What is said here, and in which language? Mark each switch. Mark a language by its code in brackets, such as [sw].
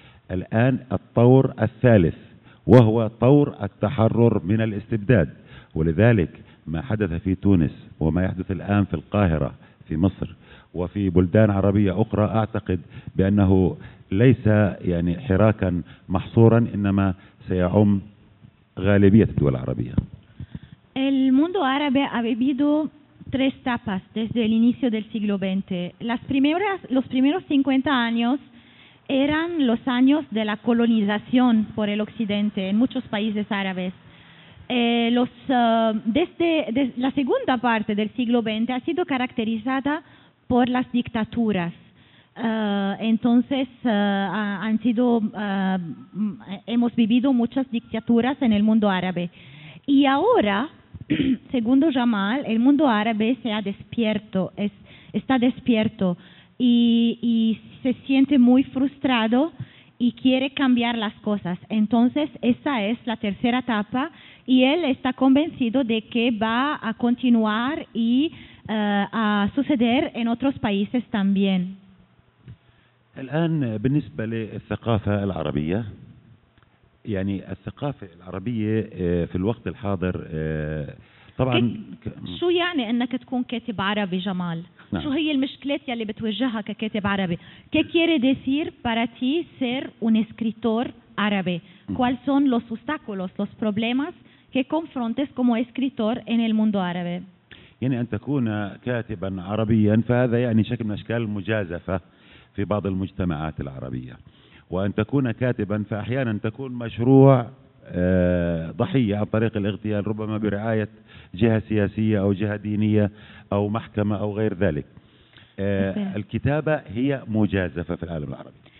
[ar] الآن الطور الثالث وهو طور التحرر من الاستبداد ولذلك ما حدث في تونس وما يحدث الآن في القاهرة في مصر وفي بلدان عربية أخرى أعتقد بأنه ليس يعني حراكا محصورا إنما سيعم غالبية الدول العربية [es] El mundo árabe ha vivido tres etapas desde el inicio del siglo XX. Los primeros 50 años eran los años de la colonización por el occidente en muchos países árabes. La segunda parte del siglo XX ha sido caracterizada por las dictaduras. Hemos vivido muchas dictaduras en el mundo árabe. Y ahora... Segundo Jamal, el mundo árabe está despierto y se siente muy frustrado y quiere cambiar las cosas. Entonces, esa es la tercera etapa y él está convencido de que va a continuar y a suceder en otros países también. [ar] الآن بالنسبة للثقافة العربية يعني الثقافة العربية في الوقت الحاضر طبعا شو يعني انك تكون كاتب عربي جمال نعم. شو هي المشكلات يلي بتواجهها ككاتب عربي [es] que quiere decir para ti ser un escritor árabe cuáles son los obstáculos los problemas que confrontes como escritor en el mundo árabe [ar] يعني ان تكون كاتبا عربيا فهذا يعني شكل من اشكال المجازفة في بعض المجتمعات العربية وأن تكون كاتبا فأحيانا تكون مشروع ضحية عن طريق الاغتيال ربما برعاية جهة سياسية أو جهة دينية أو محكمة أو غير ذلك الكتابة هي مجازفة في العالم العربي